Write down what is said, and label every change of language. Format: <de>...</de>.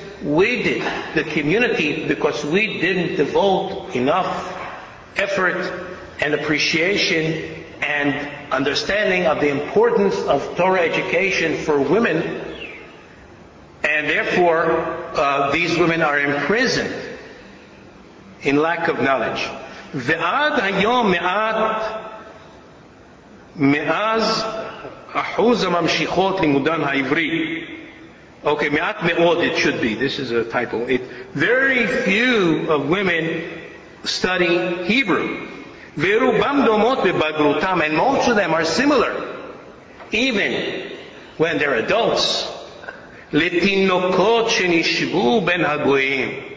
<en>We did, the community, because we didn't devote enough effort and appreciation and understanding of the importance of Torah education for women. And therefore, these women are imprisoned in lack of knowledge.</en> <he>ועד היום מעט מאז אחוז הממשיכות לימודן העברי.</he> <en>Okay,</en> <he>מעט מאוד</he> <en>it should be. This is a typo. Very few of women study Hebrew.</en> <he>ורובם דומות בבגרותם,</he> <en>and most of them are similar, even when they're adults,</en> <he>לתינוקות שנשבו בין הגויים.</he>